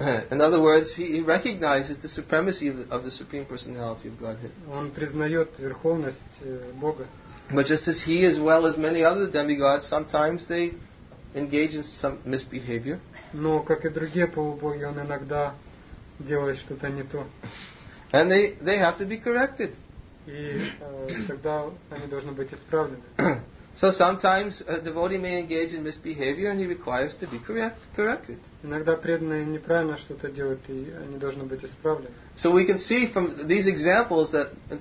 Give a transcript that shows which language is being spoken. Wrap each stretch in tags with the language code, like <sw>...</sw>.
<en>In other words, he recognizes the supremacy of the Supreme Personality of Godhead.</en> <ru>Он признает верховность Бога.</ru> <en>But just as he, as well as many other demigods, sometimes they engage in some misbehavior.</en> <ru>Но как и другие полубоги, он иногда делает что-то не то.</ru> <en>And they have to be corrected.</en> <ru>И тогда они должны быть исправлены.</ru> <en>So sometimes a devotee may engage in misbehavior, and he requires to be corrected.</en> <ru>Иногда преданные неправильно что-то делают, и они должны быть исправлены.</ru> <en>So we can see from these examples that.</en>